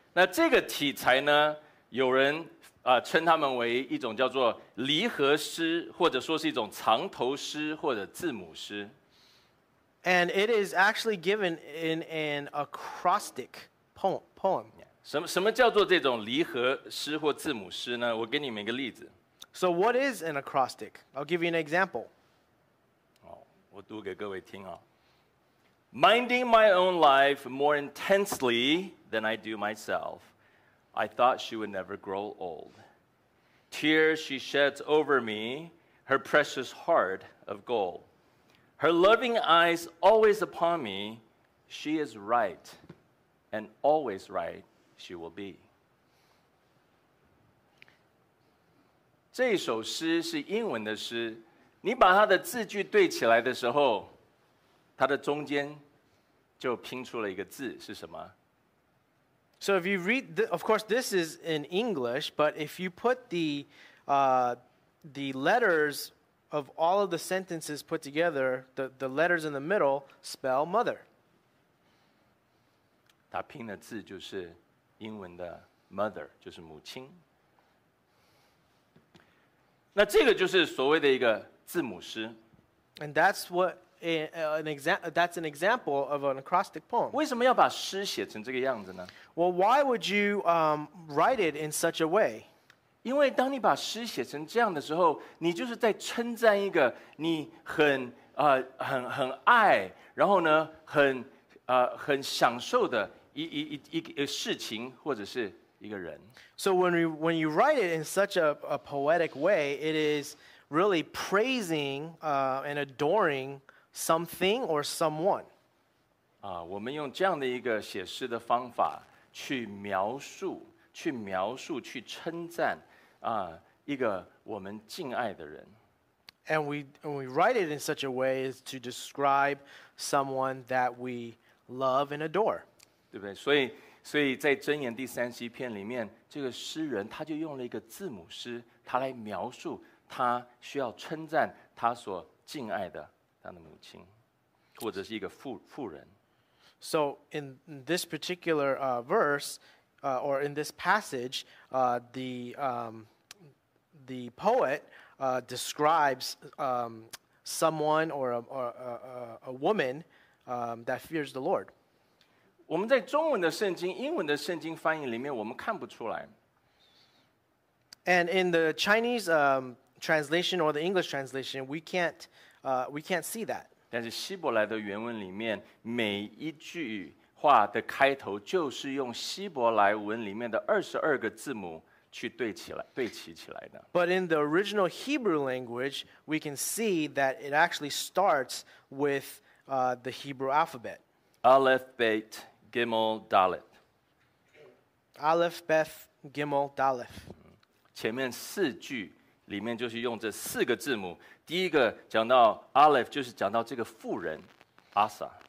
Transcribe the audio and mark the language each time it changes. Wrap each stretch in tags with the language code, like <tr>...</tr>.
<zh>那这个题材呢，有人称他们为一种叫做离合诗，或者说是一种藏头诗或者字母诗。</zh> <en>And it is actually given in an acrostic poem.</en> <zh>什么叫做这种离合诗或字母诗呢？我给你们一个例子。</zh> <en>So what is an acrostic? I'll give you an example.</en> <zh>我读给各位听啊。</zh> <en>Minding my own life more intensely than I do myself, I thought she would never grow old. Tears she sheds over me, her precious heart of gold. Her loving eyes always upon me, she is right, and always right she will be.</en> <zh>这首诗是英文的诗，你把它的字句对起来的时候，它的中间就拼出了一个字，是什么？</zh> <en>So if you read, of course, this is in English, but if you put the letters of all of the sentences put together, the letters in the middle spell mother.</en> <zh>它拼的字就是英文的 mother, 就是母亲。那这个就是所谓的一个字母诗。</zh> <en>And that's what that's an example of an acrostic poem.</en> <zh>为什么要把诗写成这个样子呢？</zh> <en>Well, why would you write it in such a way?</en> <zh>因为当你把诗写成这样的时候，你就是在称赞一个你很爱，然后呢很享受的一事情或者是一个人。</zh> <en>So when you write it in such a poetic way, it is really praising and adoring something or someone.</en> <zh>我们用这样的一个写诗的方法去描述，去称赞一个我们敬爱的人。</zh> <en>And we write it in such a way as to describe someone that we love and adore.</en> <zh>对不对？所以在箴言第三十一篇里面，这个诗人他就用了一个字母诗，他来描述他需要称赞他所敬爱的他的母亲，或者是一个妇人。</zh> <en>So in this particular verse, or in this passage, the poet describes someone or a woman that fears the Lord.</en> <zh>我们在中文的圣经、英文的圣经翻译里面，我们看不出来。</zh> <en>And in the Chinese translation or the English translation, we can't see that.</en> <zh>但是希伯来的原文里面，每一句话的开头就是用希伯来文里面的22个字母去对齐起来的。</zh> <en>But in the original Hebrew language, we can see that it actually starts with the Hebrew alphabet. Aleph, Bet, Gimel, Dalet. Aleph, Bet, Gimel, Dalet.</en> <zh>前面四句里面就是用这四个字母，第一个讲到 Aleph 就是讲到这个妇人 Asa。</zh>